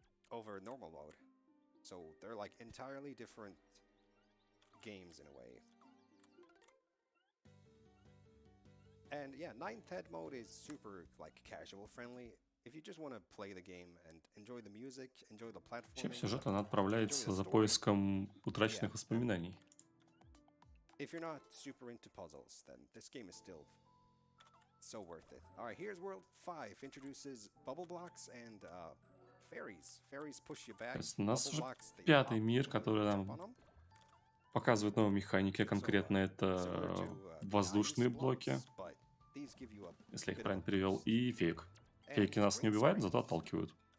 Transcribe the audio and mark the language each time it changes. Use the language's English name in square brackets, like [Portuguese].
[English] Over normal mode, so they're like entirely different games in a way. And yeah, ninth head mode is super like casual friendly. If you just want to play the game and enjoy the music, enjoy the platform. [Russian] Чем сюжет она отправляется за поиском утраченных воспоминаний? [English] If you're not super into puzzles, then this game is still so worth it. All right, here's World 5 introduces bubble blocks and Fairies push you back. [Russian] То есть у нас уже пятый мир, который нам показывает новые механики, конкретно это воздушные блоки, если я их правильно перевел, и фейк. Фейки нас не убивают, зато отталкивают.